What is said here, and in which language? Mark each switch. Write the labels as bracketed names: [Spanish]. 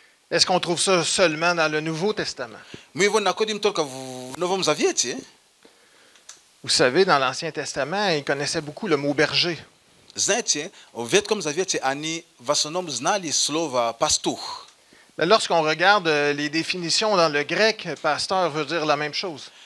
[French] Est-ce qu'on trouve ça seulement dans le Nouveau Testament? [Russian] Мы его находим только в Новом Завете. [French] Vous savez, dans l'Ancien Testament, ils connaissaient beaucoup le mot berger. [Russian] Знаете, в Ветхом Завете они в основном знали слово пастух. [French] Mais lorsqu'on regarde les définitions dans le grec, pasteur veut dire la même chose.